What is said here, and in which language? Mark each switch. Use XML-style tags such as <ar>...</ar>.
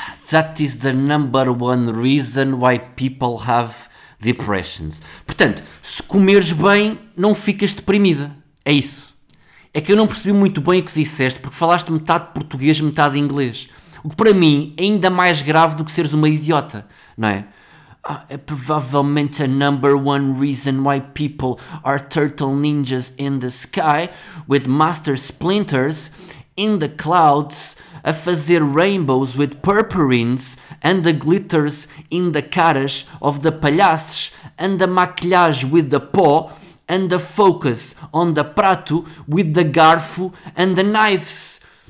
<en>That is the number one reason why people have depressions.</en> <pt>Portanto, se comeres bem, não ficas deprimida. É isso. É que eu não percebi muito bem o que disseste, porque falaste metade português, metade inglês. O que para mim é ainda mais grave do que seres uma idiota, não é? É provavelmente a</pt> <en>number one reason why people are turtle ninjas in the sky with master splinters in the clouds</en> <pt>a fazer</pt> <en>rainbows with purpurines and the glitters in the caras of the palhaços and the maquilhage with the pó and the focus on the prato with the garfo and the knives.</en>